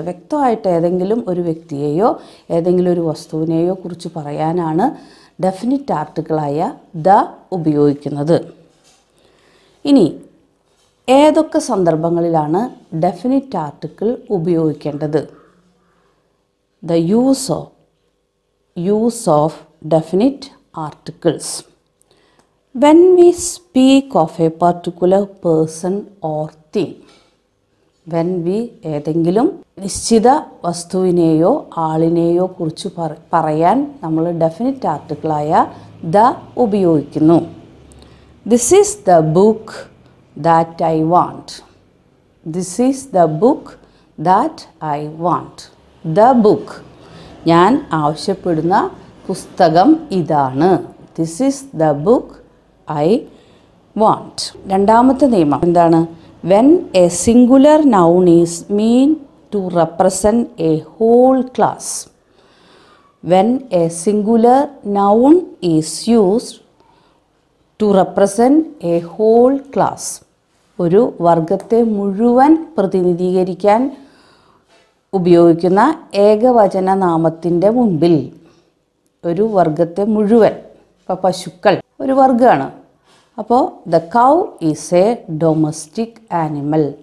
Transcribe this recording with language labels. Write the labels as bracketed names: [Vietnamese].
[Malayalam] വ്യക്തമായിട്ട് ഏതെങ്കിലും ഒരു വ്യക്തിയെയോ ഏതെങ്കിലും ഒരു വസ്തുവിനെയോ കുറിച്ച് പറയാനാണ് ഡെഫിനിറ്റ് ആർട്ടിക്കിളായ ദ ഉപയോഗിക്കുന്നത്. ഇനി ഏതൊക്കെ സന്ദർഭങ്ങളിലാണ് ഡെഫിനിറ്റ് ആർട്ടിക്കിൾ ഉപയോഗിക്കേണ്ടത്? [English] The use of, use of definite articles. When we speak of a particular person or thing, when we [Malayalam] ഏതെങ്കിലും നിശ്ചിത വസ്തുവിനെയോ ആളിനെയോ കുറിച്ച് പറയാൻ നമ്മൾ ഡെഫിനിറ്റ് ആർട്ടിക്കിളായ ദ ഉപയോഗിക്കുന്നു. [English] This is the book that I want. This is the book that I want. [Malayalam] The book, ഞാൻ ആവശ്യപ്പെടുന്ന പുസ്തകം ഇതാണ്. [English] This is the book I want. [Malayalam] രണ്ടാമത്തെ നിയമം എന്താണ്? [English] When a singular noun is mean to represent a whole class. When a singular noun is used to represent a whole class. [Malayalam] ഒരു വർഗത്തെ മുഴുവൻ പ്രതിനിധീകരിക്കാൻ ഉപയോഗിക്കുന്ന ഏകവചന നാമത്തിൻ്റെ മുൻപിൽ, ഒരു വർഗത്തെ മുഴുവൻ, ഇപ്പോൾ പശുക്കൾ ഒരു വർഗമാണ്. [English] അപ്പോൾ the cow is a domestic animal.